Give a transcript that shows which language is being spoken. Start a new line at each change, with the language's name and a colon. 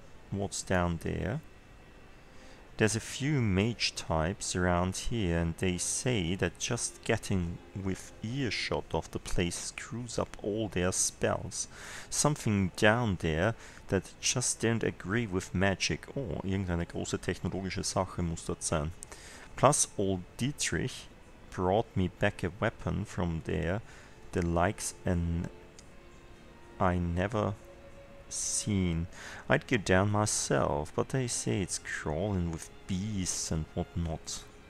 English: What's down there? There's a few mage types around here, and they say that just getting with earshot of the place screws up all their spells. Something down there that just don't agree with magic.
German: Oh, irgendeine große technologische Sache muss dort sein.
English: Plus, old Dietrich brought me back a weapon from there, the likes and I never seen. I'd go down myself, but they say it's crawling with beasts and whatnot.